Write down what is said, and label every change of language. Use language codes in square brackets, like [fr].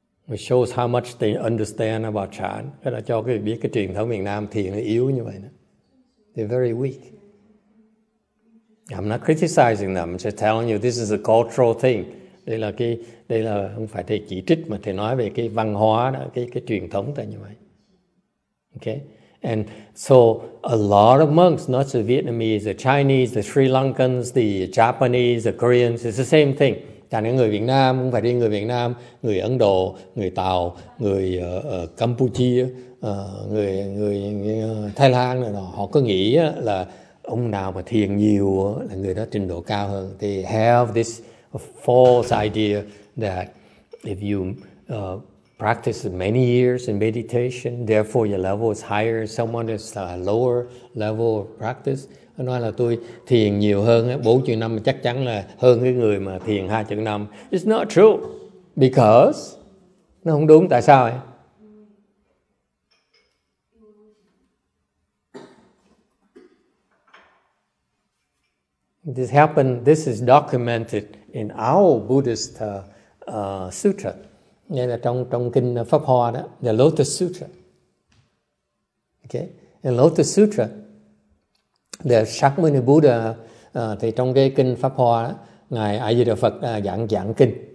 [en] It shows how much they understand about Chan. [vi] Cái là cho cái biết cái truyền thống miền Nam thiền nó yếu như vậy. [en] They're very weak. I'm not criticizing them. I'm just telling you this is a cultural thing. [vi] Đây là không phải thầy chỉ trích mà thầy nói về cái văn hóa đó, cái truyền thống tại như vậy. [en] Okay. And so a lot of monks, not just Vietnamese, the Chinese, the Sri Lankans, the Japanese, the Koreans, it's the same thing. [vi] Cả những người Việt Nam, không phải riêng người Việt Nam, người Ấn Độ, người Tàu, người Campuchia, người Thái Lan, họ có nghĩ là ông nào mà thiền nhiều là người đó trình độ cao hơn. [en] They have this false idea that if you practice many years in meditation, therefore your level is higher, someone is a lower level of practice. [vi] Nó nói là tôi thiền nhiều hơn, 40 năm chắc chắn là hơn cái người mà thiền 20 năm. It's not true. Because, nó không đúng, tại sao ấy? [en] This happened, this is documented in our Buddhist sutra. [vi] Nghĩa là trong kinh Pháp Hoa đó, the Lotus Sutra. Okay? In Lotus Sutra, the Shakyamuni Buddha, thì trong cái kinh Pháp Hoa đó, Ngài A Di Đà Phật giảng kinh.